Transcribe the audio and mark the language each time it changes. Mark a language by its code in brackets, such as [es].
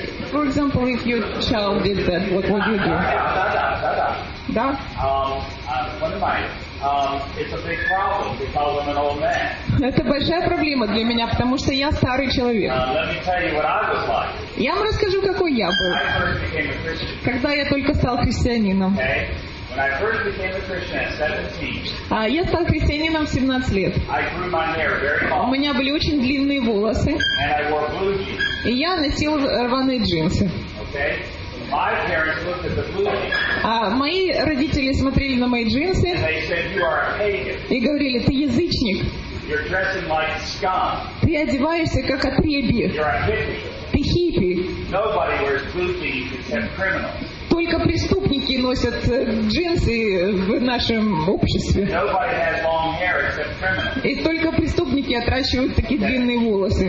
[en] For example, if your child did that, what would you do? [ru] Да? [en] It's a big problem because I'm an old man. [ru] Это большая проблема для меня, потому что я старый человек. [en] Let me tell you what I was like. [ru] Я вам расскажу, какой я был. [en] I first became a Christian. [ru] Когда я только стал христианином. [en] Okay. When I first became a Christian at 17. [ru] Я стал христианином в 17 лет. [en] I grew my hair very long. [ru] У меня были очень длинные волосы. [en] And I wore blue jeans. [ru] И я носил рваные джинсы. [en] Okay. My parents looked at the blue jeans. [ru] Мои родители смотрели на мои джинсы. [en] And they said, you are a pagan. [ru] И говорили, ты язычник. [en] You're dressing like scum. [ru] Ты одеваешься как отребье. [en] You're a hippie. [ru] Ты хиппи. [en] Nobody wears blue jeans except criminals. [ru] Только преступники носят джинсы в нашем обществе. [en] Nobody has long hair except criminals. [ru] И только преступники отращивают такие длинные волосы.